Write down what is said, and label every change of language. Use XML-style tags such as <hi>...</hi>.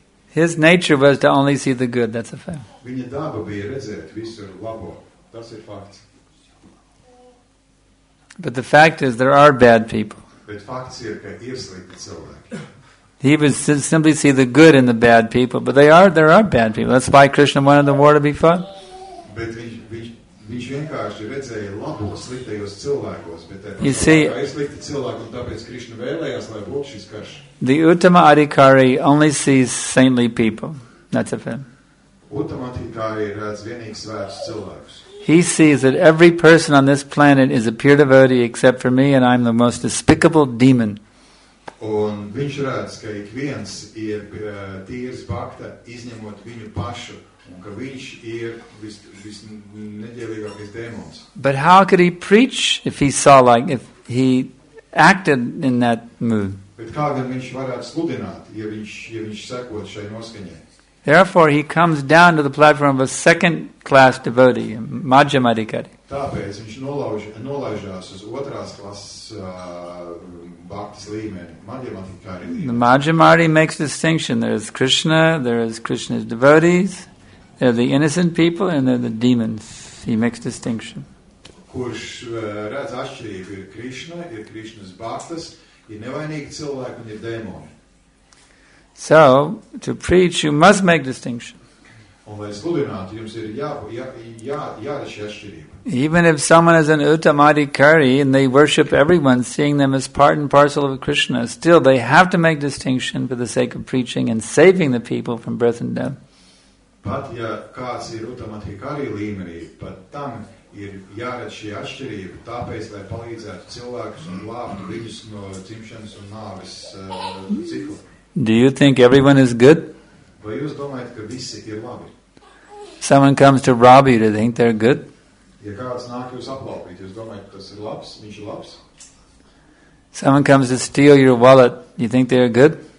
<en>His nature was to only see the good, that's a fact.</en> <lv>Viņa daba bija redzēt visur labo, tas ir fakts.</lv> <en>But the fact is, there are bad people.</en> <lv>Bet fakts ir, ka ir slikti cilvēki.</lv> <en>He would simply see the good in the bad people, but there are bad people. That's why Krishna wanted the war to be fought.</en> <lv>Bet viņš vienkārši redzēja labo sliktajos cilvēkos, bet</lv> <en>you see,</en> <lv>slikti cilvēki, un tāpēc Krishna vēlējās, lai būtu šis karš.</lv> <en>The Uttama Adhikari only sees saintly people. That's a fact.</en> <lv>Uttama Adhikari redz vienīgi svētus cilvēkus.</lv> <en>He sees that every person on this planet is a pure devotee except for me, and I'm the most despicable demon.</en> <lv>Un viņš redz, ka ikviens ir tīrs bhakta, izņemot viņu pašu, un ka viņš ir vis neģēlīgākais dēmons.</lv> <en>But how could he preach if he saw like, if he acted in that mood?</en> <lv>Bet kā gan viņš varētu sludināt, ja viņš sekot šai noskaņai?</lv> <en>Therefore, he comes down to the platform of a second-class devotee, Madhyama Adhikari.</en> <lv>Tāpēc viņš nolaužās uz otrās klases bhaktas līmeni, Madhyama Adhikari.</lv> <en>The Madhyama makes distinction. There is Krishna, there is Krishna's devotees, there are the innocent people, and there are the demons. He makes distinction.</en> <lv>Kurš redz atšķirību, ir Krishna, ir Krishna's bhaktas, ir nevainīgi cilvēki un ir dēmoni.</lv> <en>So, to preach, you must make distinction.</en> <lv>Un, lai sludināt, jums ir jāda šī atšķirība.</lv> <en>Even if someone is an Uttamadhikari and they worship everyone, seeing them as part and parcel of Krishna, still they have to make distinction for the sake of preaching and saving the people from birth and death.</en> <lv>Pat ja kāds ir Uttamadhikari līmenī, pat tam ir jāredz šī atšķirība, tāpēc, lai palīdzētu cilvēkus un glābtu viņus no dzimšanas un nāves ciklu.</lv> <en>Do you think everyone is good?</en> <lv>Vai jūs domājat, ka visi ir labi?</lv> <en>Someone comes to rob you, do you think they're good?</en> <lv>Ja kāds nāk jūs aplaupīt, jūs domājat, ka tas ir labs, viņš ir labs?</lv> <en>Someone comes to steal your wallet, you think they're good?</en>